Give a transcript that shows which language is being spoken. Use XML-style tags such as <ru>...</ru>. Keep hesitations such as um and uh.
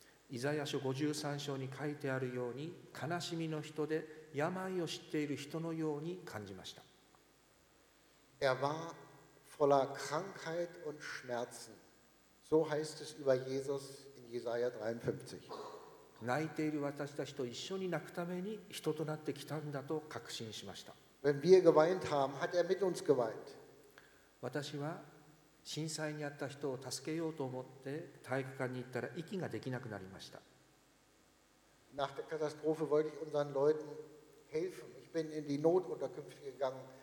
<ja>イザヤ書53章に書いてあるように、悲しみの人で、病を知っている人のように感じました。</ja> <de>Er war voller Krankheit und Schmerzen. So heißt es über Jesus in Jesaja 53.</de> <ja>泣いている私たちと一緒に泣くために人となってきたんだと確信しました。</ja> <de>Wenn wir geweint haben, hat er mit uns geweint.</de> <ja>私は震災にあった人を助けようと思って体育館に行ったら息ができなくなりました。</ja> <de>Nach der Katastrophe wollte ich unseren Leuten Ich bin in die Notunterkünfte gegangen</de>